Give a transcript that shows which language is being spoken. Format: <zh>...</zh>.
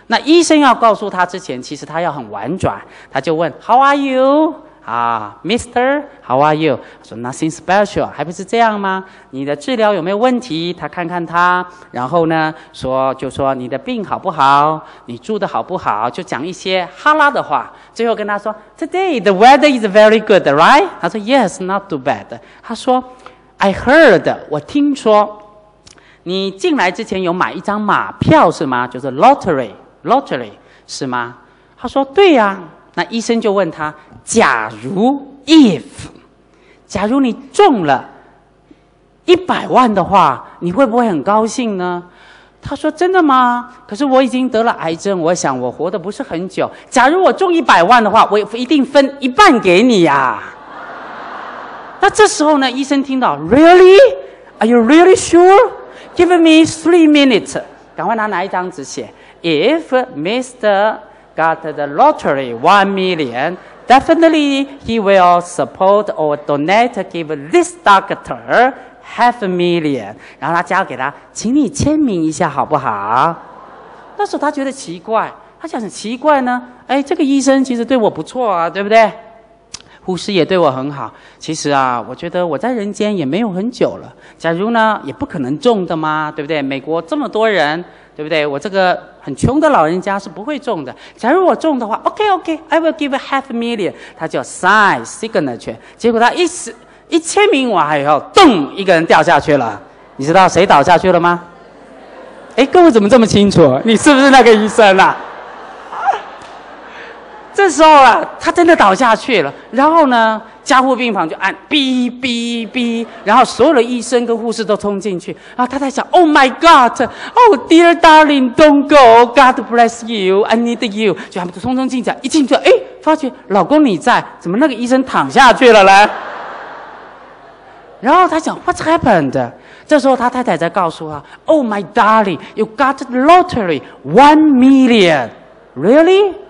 <zh>那医生要告诉他之前，其实他要很婉转，他就问 How are you? Mr. How are you? 他说 Nothing special, 还不是这样吗？你的治疗有没有问题？他看看他，然后呢就说你的病好不好，你住的好不好，就讲一些哈拉的话。最后跟他说</zh> <en>Today the weather is very good, right?</en> <zh>他说</zh> <en>Yes, not too bad.</en> <zh>他说 I heard, 我听说你进来之前有买一张马票是吗？就是 Lottery 是吗？他说对呀、啊。那医生就问他，假如 if 假如你中了100万的话，你会不会很高兴呢？他说真的吗？可是我已经得了癌症，我想我活得不是很久，假如我中100万的话，我一定分一半给你啊。那这时候呢，医生听到 Really?</zh> <en>Are you really sure? Give me 3 minutes, 赶快拿一张纸写 If Mr. Got the lottery, 1 million. Definitely, he will support or donate, give this doctor $500,000.</en> <zh>然后他家给他，请你签名一下好不好？那时候他觉得奇怪，他想奇怪呢，哎，这个医生其实对我不错啊，对不对？护士也对我很好。其实啊，我觉得我在人间也没有很久了。假如呢，也不可能中的嘛，对不对？美国这么多人，对不对？我这个很穷的老人家是不会中的。假如我中的话 ， OK，I will give $500,000。他就 sign signature，结果他一签名完以后，咚，一个人掉下去了。你知道谁倒下去了吗？哎，各位怎么这么清楚？你是不是那个医生啊？这时候啊，他真的倒下去了。然后呢，加护病房就按哔哔哔，然后所有的医生跟护士都冲进去。</zh> <en>然后他在想，Oh my God, Oh dear darling, don't go, God bless you, I need you。</en> <zh>就他们就匆匆进去，一进去，哎，发觉老公你在，怎么那个医生躺下去了呢？然后他想 ， What's happened？</zh> <en>这时候他太太在告诉他，Oh my darling, you got the lottery, 1 million, really?</en>